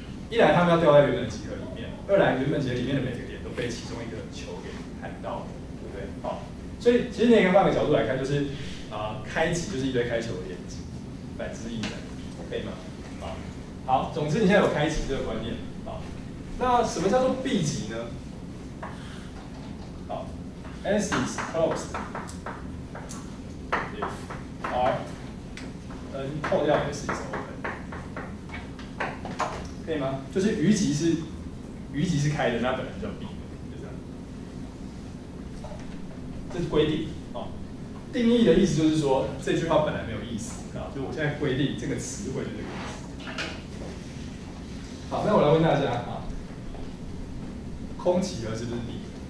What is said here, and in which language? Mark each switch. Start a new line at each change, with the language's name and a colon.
Chinese: 一来他们要掉在原本的集合里面，二来原本集合里面的每个点都被其中一个球给喊到了，对不对？好，所以其实你可以换个角度来看，就是开集就是一堆开球的连集。百之一的，可以吗？好，总之你现在有开集这个观念。好，那什么叫做 B 集呢？
English: 好 ，S is closed if R N
Chinese: 扣掉
English: S is open，
Chinese: 可以吗？就是余集是开的，那本来就叫 B， 就这样。这是规定。定义的意思就是说，这句话本来没有意思啊，就我现在规定这个词汇的这个意思。好，那我来问大家啊，空集合是不是 B？